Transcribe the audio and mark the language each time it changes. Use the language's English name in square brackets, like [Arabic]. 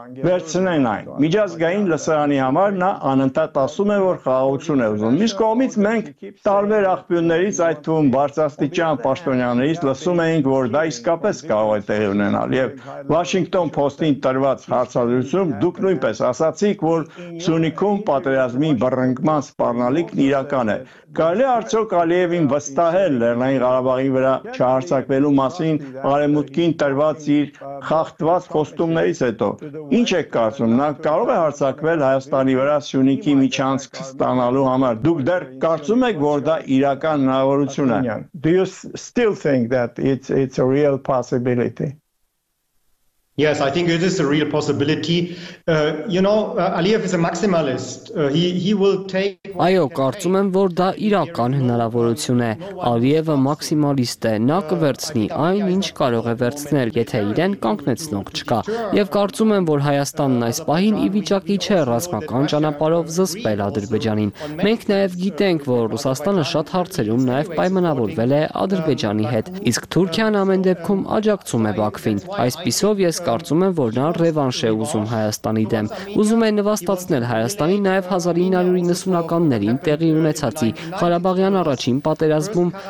[Armenian] վերցնեն այն։ Միջազգային լսարանի համար նա անընդհատ ասում է, որ խաղաղություն է ուզում։ Իսկ կողմից մենք տարբեր աղբյուրներից այդ Թուն Բարձաստիճան պաշտոնյաներից լսում էինք, որ դա իսկապես կարող է տեղի ունենալ, եւ Washington Post-ին տրված հարցադրությամբ դուք նույնպես ասացիք, որ Սյունիքում պատերազմի բռնկման սպառնալիքն իրական է։ Կարելի արդյոք Ալիևին վստահել Լեռնային Ղարաբաղի վրա չհարձակվելու մասին արեմուտքին տրված իր խախտված խոստումներից հետո։ Ինչ եք կարծում, նա կարող է հարձակվել Հայաստանի վրա Սյունիքի միջանցք ստանալու համար։ Դուք դեռ կարծում եք, որ դա իրական նաև [English] Do you still think that it's a real possibility? Yes, I think it is a real possibility. Aliyev is a maximalist. He will take [Armenian] Այո, կարծում եմ, որ դա իրական հնարավորություն է։ Ալիևը մաքսիմալիստ է, նա կվերցնի այն, ինչ կարող է վերցնել, եթե իրեն կանգնեցնող չկա։ Եվ կարծում եմ, որ Հայաստանն այս պահին ի վիճակի չէ ռազմական ճանապարհով զսպել Ադրբեջանին։ Մենք նաև գիտենք, որ Ռուսաստանը շատ հարցերում նաև պայմանավորվել է Ադրբեջանի հետ, իսկ Թուրքիան ամեն դեպքում աջակցում է Բաքվին։ Այսպիսով ես կարծում եմ, որ նա ռևանշ է ուզում Հայաստանի դեմ։ Ուզում է նվաստացնել Հայաստանի նաև 1990-ականների տեղի ունեցածի Ղարաբաղյան առաջին պատերազմում